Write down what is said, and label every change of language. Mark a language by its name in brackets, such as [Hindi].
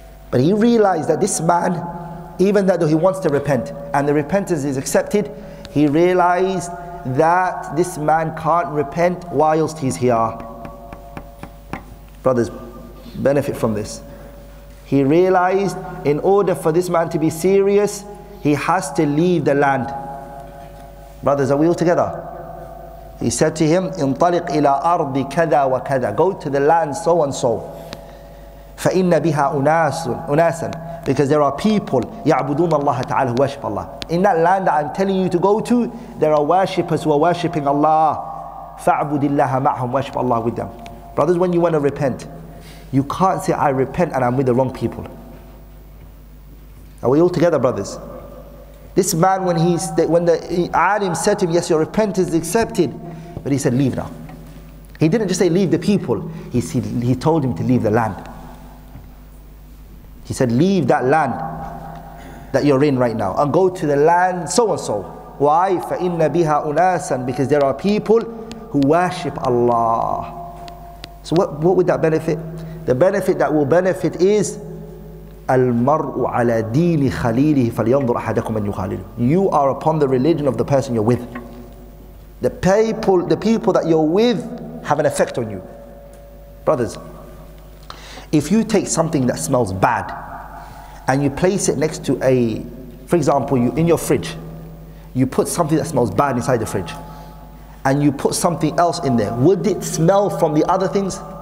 [English] But he realized that this man, even though he wants to repent, and the repentance is accepted, he realized that this man can't repent whilst he's here. Brothers, benefit from this. He realized in order for this man to be serious, he has to leave the land. Brothers, are we all together? He said to him, [Arabic] انطلق إلى أرض كذا وكذا. [English] Go to the land so and so. [Arabic] فإن بها أناسا. [English] Because there are people, [Arabic] يَعْبُدُونَ اللَّهَ تَعَالَى, [English] who worship Allah. In that land that I'm telling you to go to, there are worshippers who are worshipping Allah. [Arabic] فَعْبُدِ اللَّهَ مَعْهُمْ, [English] worship Allah with them. Brothers, when you want to repent, you can't say, I repent and I'm with the wrong people. Are we all together, brothers? This man, when the alim said to him, yes, your repentance is accepted, but he said, leave now. He didn't just say, leave the people. He told him to leave the land. He said, leave that land that you're in right now and go to the land so-and-so. Why? [Arabic] فَإِنَّ بِهَا أُنَاسًا. [English] Because there are people who worship Allah. So what would that benefit? The benefit that will benefit is [Arabic] الْمَرْءُ عَلَىٰ دِينِ خَلِيلِهِ فَلْيَنْظُرْ أَحَدَكُمْ أَنْ يُخَالِلُ. [English] You are upon the religion of the person you're with. The people that you're with have an effect on you. Brothers, If you take something that smells bad and you place it next to a, for example, you in your fridge, you put something that smells bad inside the fridge and you put something else in there, would it smell from the other things?